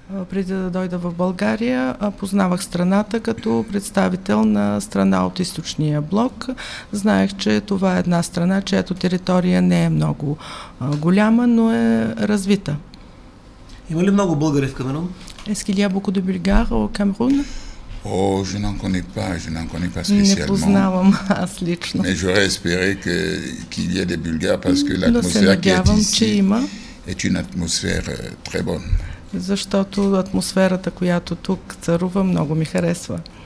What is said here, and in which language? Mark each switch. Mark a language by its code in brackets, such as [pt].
[bg] Преди да дойда в България, познавах страната като представител на страна от източния блок. Знаех, че това е една страна, чиято територия не е много голяма, но е развита. Има ли много българи в Камерун? [fr] Est-ce qu'il y a beaucoup de Bulgares au Cameroun? Oh, je n'en connais pas, spécialement. [bg] Не познавам аз лично. [fr] Mais j'aurais espéré qu'il y ait des Bulgares parce que l'atmosphère qui est ici est une atmosphère très bonne. [bg] Защото атмосферата, която тук царува, много ми харесва.